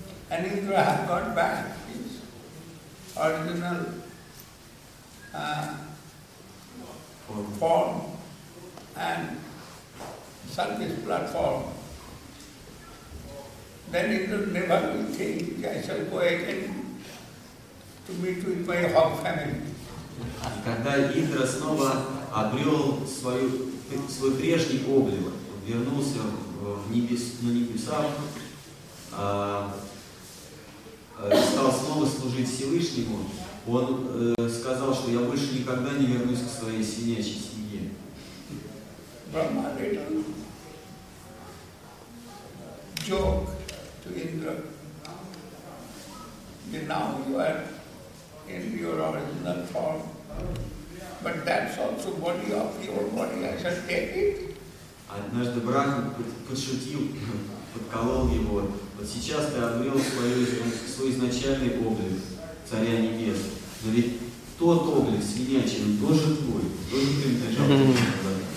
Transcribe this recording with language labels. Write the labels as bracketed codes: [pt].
[en] And Indra has got back his original form and service platform. Then Indra never will think, I shall go again to meet with my hog family. [ru] И когда Индра снова обрел свой прежний облик, вернулся на небеса, стал снова служить Всевышнему, он сказал, что я больше никогда не вернусь к своей синячей семье. [en] Brahma little joke to Indra. And now you are in your original form. But that's also body of your body. I shall take it. [ru] Однажды Брахма подшутил, подколол его. Вот сейчас ты обрел свой изначальный облик. Царя Небес. Но ведь тот облик свинячий, он тоже твой, тоже ты начал туда.